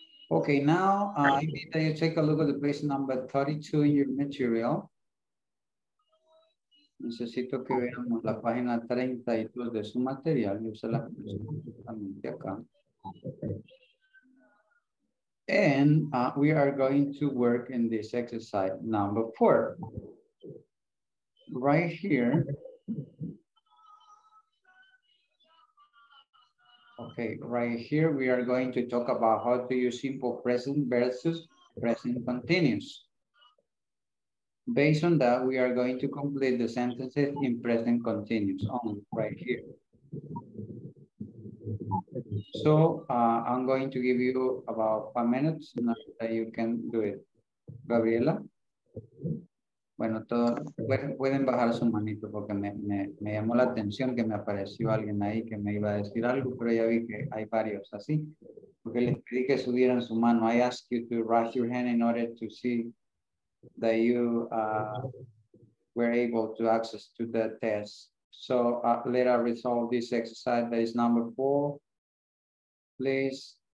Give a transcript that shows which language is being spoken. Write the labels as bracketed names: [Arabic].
[English] Okay, now I need that you take a look at the page number 32 in your material. [Spanish] Necesito que veamos la página 32 de su material. Yo se la presento acá. [English] And we are going to work in this exercise number 4. Right here. Okay, right here we are going to talk about how to use simple present versus present continuous. Based on that, we are going to complete the sentences in present continuous on right here. So I'm going to give you about 5 minutes and you can do it. Gabriela. [Spanish] Bueno, pueden bajar su manito porque me llamó la atención que me apareció alguien ahí que me iba a decir algo, pero ya vi que hay varios así. Porque les pedí que subieran su mano. [English] I ask you to raise your hand in order to see that you were able to access to the test. So let us resolve this exercise that is number 4, please.